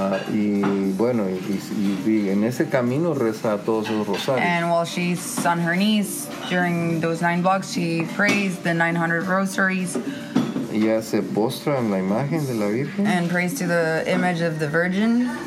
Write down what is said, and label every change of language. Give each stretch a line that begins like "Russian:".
Spanish: Y en ese camino reza todos esos rosarios.
English: And while she's on her knees during those 9 blocks, she prays the 900 rosaries.
Spanish: Y se postra en la imagen de la Virgen.
English: And prays to the image of the Virgin.